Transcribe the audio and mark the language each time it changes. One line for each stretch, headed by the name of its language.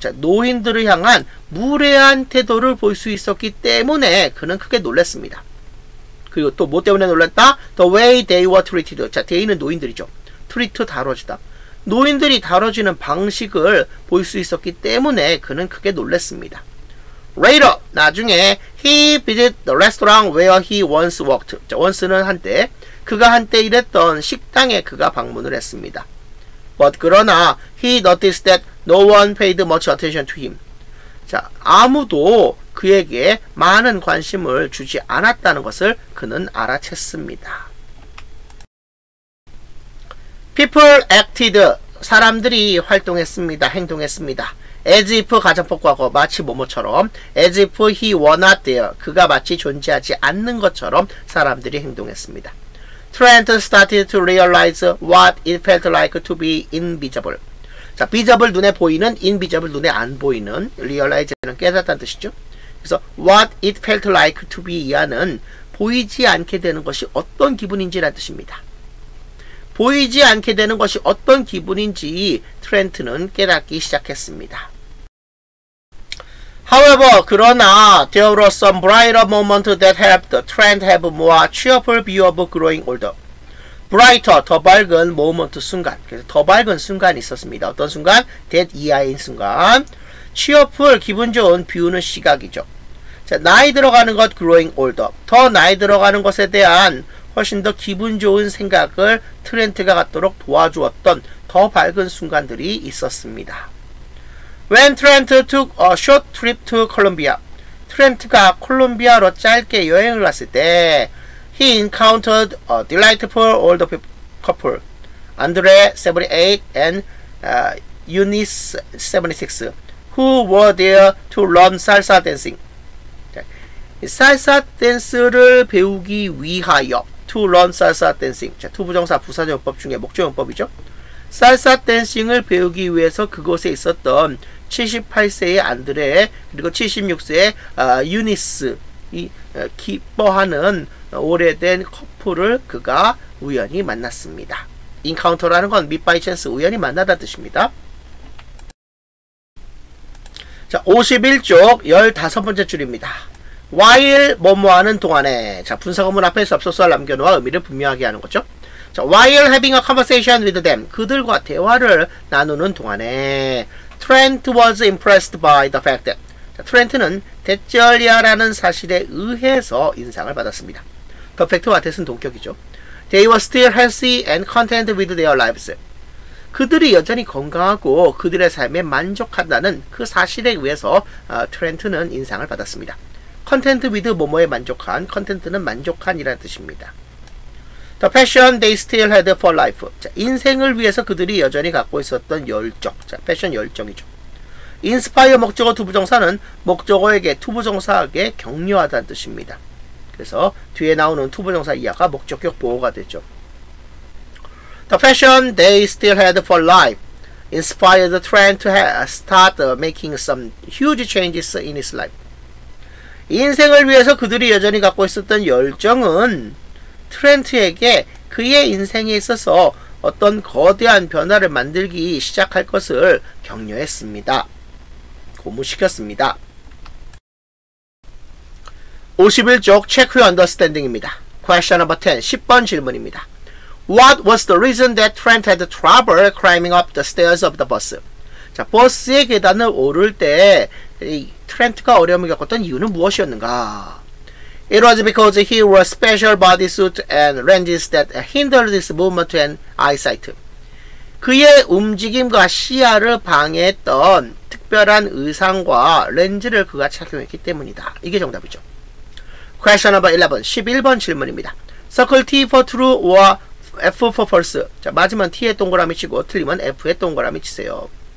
Korean: 자, 노인들을 향한 무례한 태도를 볼 수 있었기 때문에 그는 크게 놀랐습니다. 그리고 또 뭐 때문에 놀랐다?
English: The way they were treated.
Korean: 자, they는 노인들이죠. treat 다뤄지다. 노인들이 다뤄지는 방식을 볼 수 있었기 때문에 그는 크게 놀랐습니다.
English: Later,
Korean: 나중에
English: he visited the restaurant where he once worked.
Korean: 자, once는 한때, 그가 한때 일했던 식당에 그가 방문을 했습니다.
English: But
Korean: 그러나
English: he noticed that no one paid much attention to him.
Korean: 자, 아무도 그에게 많은 관심을 주지 않았다는 것을 그는 알아챘습니다.
English: People acted.
Korean: 사람들이 활동했습니다. 행동했습니다. As if 가정법 과거 마치 뭐뭐처럼
English: as if he were not there.
Korean: 그가 마치 존재하지 않는 것처럼 사람들이 행동했습니다.
English: Trent started to realize what it felt like to be invisible.
Korean: 자, visible 눈에 보이는, invisible 눈에 안 보이는, realize는 깨닫다는 뜻이죠. 그래서
English: what it felt like to be
Korean: 이하는 보이지 않게 되는 것이 어떤 기분인지라는 뜻입니다. 보이지 않게 되는 것이 어떤 기분인지 트렌트는 깨닫기 시작했습니다.
English: However,
Korean: 그러나
English: there were some brighter moments that helped Trent have more cheerful view of growing older.
Korean: Brighter, 더 밝은 moment 순간. 그래서 더 밝은 순간이 있었습니다. 어떤 순간? That EI인 순간. Cheerful, 기분 좋은 뷰는 시각이죠. 자, 나이 들어가는 것,
English: growing older.
Korean: 더 나이 들어가는 것에 대한 훨씬 더 기분 좋은 생각을 트렌트가 갖도록 도와주었던 더 밝은 순간들이 있었습니다.
English: When Trent took a short trip to Columbia,
Korean: 트렌트가 콜롬비아로 짧게 여행을 갔을 때,
English: he encountered a delightful old couple, Andre 78 and Eunice 76, who were there to learn salsa dancing.
Korean: 살사 댄스를 배우기 위하여,
English: to learn salsa dancing.
Korean: 자, 투부정사 부사적용법 중에 목적용법이죠. 살사 댄싱을 배우기 위해서 그곳에 있었던 78세의 안드레 그리고 76세의 유니스이 기뻐하는 오래된 커플을 그가 우연히 만났습니다. encounter라는 건
English: meet by chance,
Korean: 우연히 만나다 뜻입니다. 자, 51쪽 15번째 줄입니다. While 뭐뭐 하는 동안에. 자, 분사구문 앞에 접속사를 남겨놓아 의미를 분명하게 하는 거죠.
English: 자, while having a conversation with them,
Korean: 그들과 대화를 나누는 동안에
English: Trent was impressed by the fact that.
Korean: 자, Trent는 대절이야라는 사실에 의해서 인상을 받았습니다. The fact와 that은 동격이죠.
English: They were still healthy and content with their lives.
Korean: 그들이 여전히 건강하고 그들의 삶에 만족한다는 그 사실에 의해서 트렌트는 인상을 받았습니다. content with 뭐뭐에 만족한, content는 만족한이라는 뜻입니다.
English: The passion they still had for life.
Korean: 자, 인생을 위해서 그들이 여전히 갖고 있었던 열정. 자, passion 열정이죠. inspire 목적어 투부정사는 목적어에게, 투부정사에게 격려하다는 뜻입니다. 그래서 뒤에 나오는 투부정사 이하가 목적격 보호가 되죠.
English: The passion they still had for life inspired Trent to start making some huge changes in his life.
Korean: 인생을 위해서 그들이 여전히 갖고 있었던 열정은 트렌트에게 그의 인생에 있어서 어떤 거대한 변화를 만들기 시작할 것을 격려했습니다. 고무시켰습니다. 51쪽
English: check your understanding
Korean: 입니다.
English: Question number 10,
Korean: 10번 질문입니다.
English: What was the reason that Trent had trouble climbing up the stairs of the bus?
Korean: 자, 버스의 계단을 오를 때 트렌트가 어려움을 겪었던 이유는 무엇이었는가?
English: It was because he wore special bodysuit and lenses that hindered his movement and eyesight.
Korean: 그의 움직임과 시야를 방해했던 특별한 의상과 렌즈를 그가 착용했기 때문이다. 이게 정답이죠.
English: Question number 11,
Korean: 11번 질문입니다.
English: Circle T for true or F for false.
Korean: 자, 맞으면 T에 동그라미 치고 틀리면 F에 동그라미 치세요.